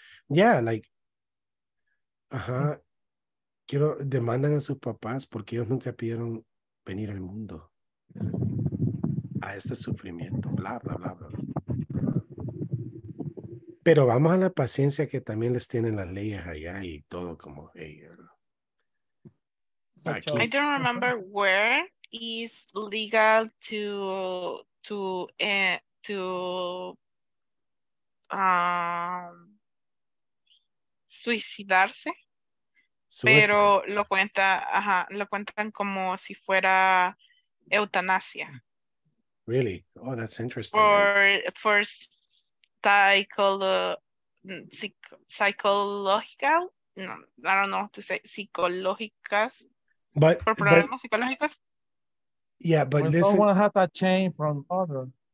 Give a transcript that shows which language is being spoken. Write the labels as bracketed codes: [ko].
[en] Yeah, like, [es] quiero, demandan a sus papás porque ellos nunca pidieron venir al mundo. A ese sufrimiento, bla, bla, bla, bla. Pero vamos a la paciencia que también les tienen las leyes allá y todo como ellos. [en] Hey, I don't remember where is legal to suicidarse. [es] Pero lo cuenta, lo cuentan como si fuera eutanasia. [en] Really? Oh, that's interesting. For psychological, no, I don't know how to say, psicológicas. But [es] for problemas psicológicos. [en] Yeah, but when listen. We don't want to have that chain from other.